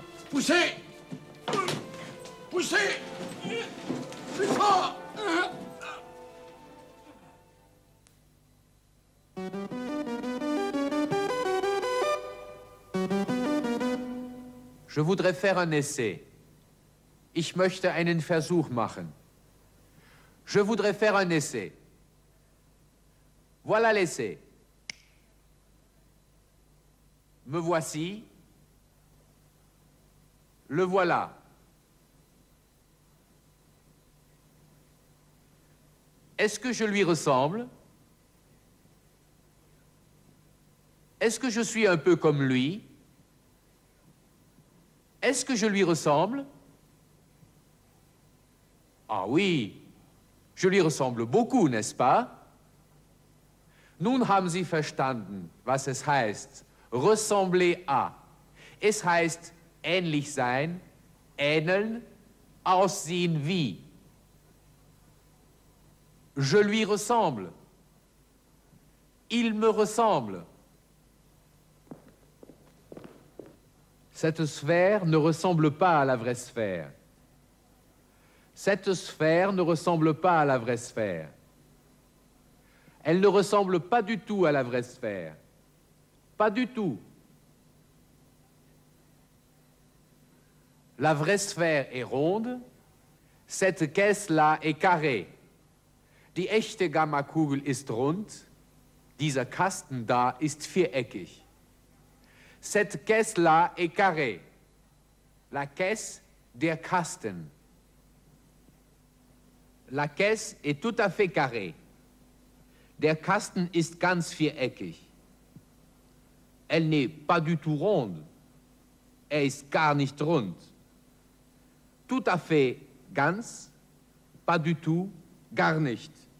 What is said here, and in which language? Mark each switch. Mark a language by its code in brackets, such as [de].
[fr] Poussez! Poussez! Plus fort! Je voudrais faire un essai. Ich möchte einen Versuch machen. Je voudrais faire un essai. Voilà l'essai. Me voici. Le voilà. Est-ce que je lui ressemble? Est-ce que je suis un peu comme lui? Est-ce que je lui ressemble? Ah oui, je lui ressemble beaucoup, n'est-ce pas? [de] Nun haben Sie verstanden, was es heißt, ressembler à. Es heißt ähnlich sein, ähneln, aussehen wie. [fr] Je lui ressemble. Il me ressemble. Cette sphère ne ressemble pas à la vraie sphère. Cette sphère ne ressemble pas à la vraie sphère. Elle ne ressemble pas du tout à la vraie sphère. Pas du tout. La vraie sphère est ronde. Cette caisse-là est carrée. [de] Die echte Gammakugel ist rund. Dieser Kasten da ist viereckig. [fr] Cette caisse-là est carrée. La caisse, [de] der Kasten. [fr] La caisse est tout à fait carrée. [de] Der Kasten ist ganz viereckig. [fr] Elle n'est pas du tout ronde. [de] Er ist gar nicht rund. [fr] Tout à fait ganz, pas du tout, [de] gar nicht.